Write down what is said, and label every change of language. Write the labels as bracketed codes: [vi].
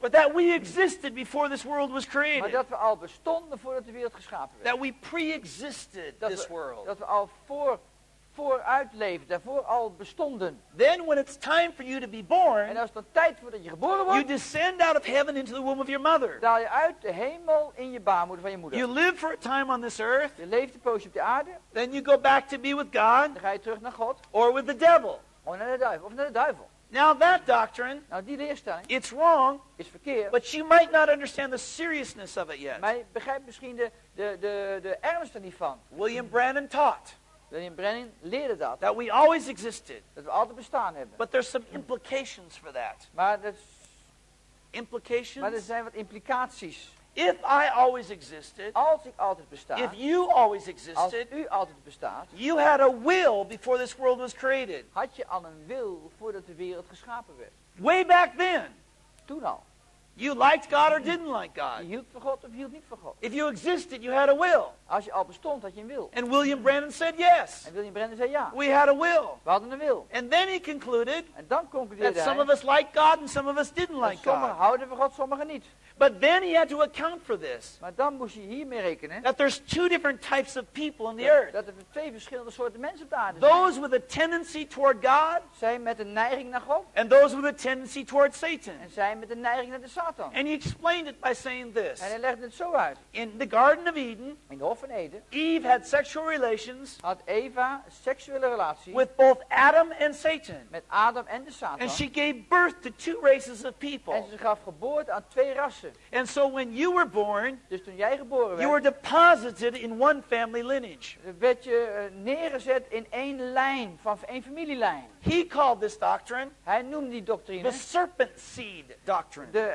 [en] But that we existed before this world was created. [nl] Maar dat we al bestonden voordat de wereld geschapen werd. [en] That we pre-existed this world. [nl] Dat we al vooruit leefden. Daarvoor al bestonden. [en] Then when it's time for you to be born. [nl] En als het dan tijd wordt dat je geboren wordt. [en] You descend out of heaven into the womb of your mother. [nl] Daal je uit de hemel in je baarmoeder van je moeder. [en] You live for a time on this earth. [nl] Je leeft een poosje op de aarde. [en] Then you go back to be with God. [nl] Dan ga je terug naar God. [en] Or with the devil. [nl] Of naar de duivel. [en] Now that doctrine, [nl] nou, die leerstelling, [en] it's wrong, [nl] is verkeerd, [en] but you might not understand the seriousness of it yet. [nl] Maar je begrijpt misschien de ernst er niet van. [en] William Branham taught. [nl] William Branham leerde dat. [en] That we always existed. [nl] Dat we altijd bestaan hebben. [en] But there's some implications for that. Implications? [nl] Maar er zijn wat implicaties. [en] If I always existed, [nl] als ik altijd bestaan, [en] if you always existed, [nl] als u altijd bestaat, [en] you had a will before this world was created. [nl] Had je al een wil voordat de wereld geschapen werd? [en] Way back then, [nl] toen al. [en] You liked God or didn't like God. [nl] Je hield van God of hield niet van God. [en] If you existed, you had a will. [nl] Als je al bestond, had je een wil. [en] And William Branham said yes. [nl] En William Branham zei ja. [en] We had a will. [nl] We hadden een wil. [en] And then he concluded. [nl] En dan concludeerde hij. [en] That some of us liked God and some of us didn't like God. [nl] Sommigen houden van God, sommigen niet. [en] But then he had to account for this. [nl] Maar dan moest je hiermee rekenen. [en] That there's two different types of people in the earth. [nl] Dat er twee verschillende soorten mensen op de aarde zijn. [en] Those with a tendency toward God. [nl] Zij met een neiging naar God. [en] And those with a tendency toward Satan. [nl] En zij met een neiging naar de Satan. [en] And he explained it by saying this. [nl] En hij legde het zo uit. [en] In the Garden of Eden. [nl] In de Hof van Eden. [en] Eve had sexual relations. [nl] Had Eva seksuele relaties. [en] With both Adam and Satan. [nl] Met Adam en de Satan. [en] And she gave birth to two races of people. [nl] En ze gaf geboorte aan twee rassen. [en] And so when you were born, [nl] dus toen jij geboren werd, [en] you were deposited in one family lineage. [nl] Werd je neergezet in één lijn van één familielijn. [en] He called this doctrine. [nl] Hij noemde die doctrine. [en] The serpent seed doctrine.